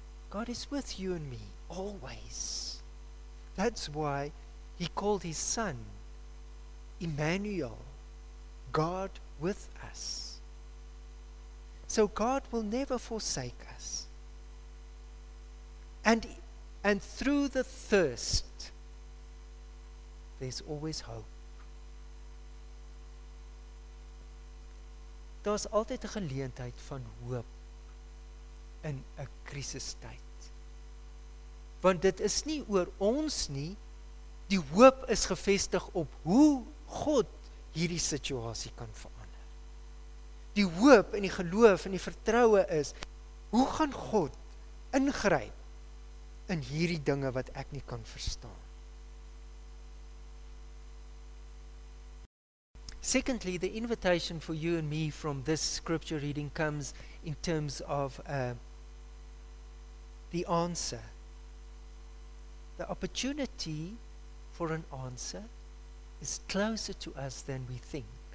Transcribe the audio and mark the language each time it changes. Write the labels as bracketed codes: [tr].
[en] God is with you and me, always. That's why He called His Son Emmanuel, God with us. So God will never forsake us. And through the thirst, there's always hope. [af] Daar's altyd 'n geleentheid van hoop in 'n krisistyd. Want dit is nie oor ons nie. Die hoop is gevestig op hoe God hierdie situasie kan verander. Die hoop en die geloof en die vertroue is, hoe gaan God ingryp in hierdie dinge wat ek nie kan verstaan? [en] Secondly, the invitation for you and me from this scripture reading comes in terms of the answer. The opportunity for an answer is closer to us than we think.